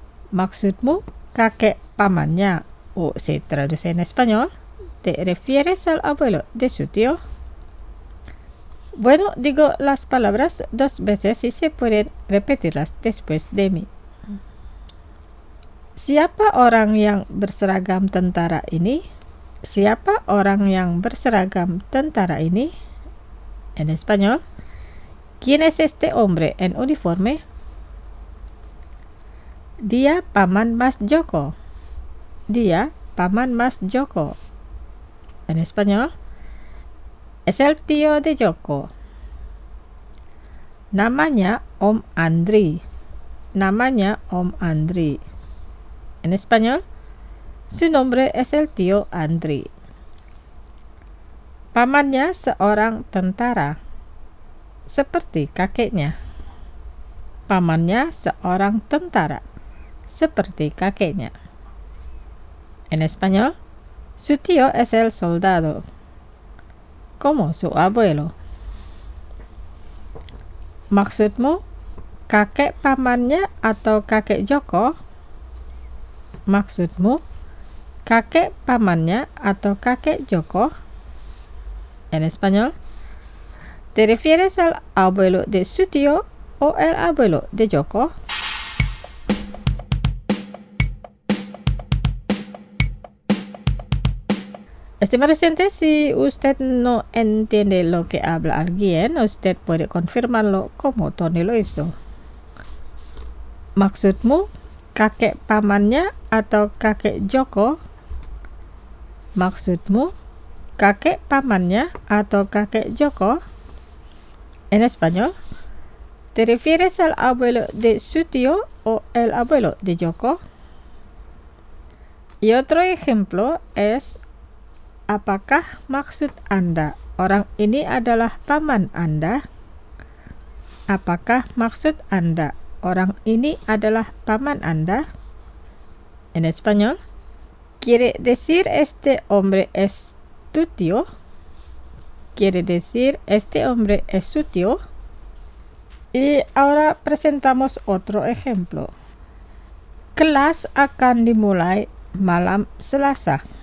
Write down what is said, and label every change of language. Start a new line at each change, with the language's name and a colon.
Indonesian: Maksudmu kakek pamannya,
Spanish: o se traduce en español, ¿te refieres al abuelo de su tío? Bueno, digo las palabras dos veces y se pueden repetirlas después de mí.
Indonesian: ¿Siapa orang yang berseragam tentara ini? Siapa orang yang berseragam tentara ini?
Spanish: En español, ¿quién es este hombre en uniforme?
Indonesian: Dia paman Mas Joko. Dia paman Mas Joko.
Spanish: En español, es el tío de Joko.
Indonesian: Namanya Om Andri. Namanya Om Andri.
Spanish: En español, su nombre es el tío Andri.
Indonesian: Pamannya seorang tentara, seperti kakeknya. Pamannya seorang tentara, seperti kakeknya.
Spanish: En español, su tío es el soldado, como su abuelo.
Indonesian: Maksudmu, kakek pamannya atau kakek Joko? Maksudmu, kakek pamannya atau kakek Joko?
Spanish: En español, ¿te refieres al abuelo de su tío o el abuelo de Joko? Estimados oyentes, si usted no entiende lo que habla alguien, usted puede confirmarlo como Tony lo hizo.
Indonesian: ¿Maksudmu kakek pamannya atau kakek Joko? ¿Maksudmu kakek pamannya atau kakek Joko?
Spanish: En español, ¿te refieres al abuelo de su tío o el abuelo de Joko? Y otro ejemplo es,
Indonesian: apakah maksud Anda orang ini adalah paman Anda? Apakah maksud Anda orang ini adalah paman Anda?
Spanish: En español, ¿quiere decir este hombre es tu tío? ¿Quiere decir este hombre es su tío? Y ahora presentamos otro ejemplo.
Indonesian: Kelas akan dimulai malam Selasa.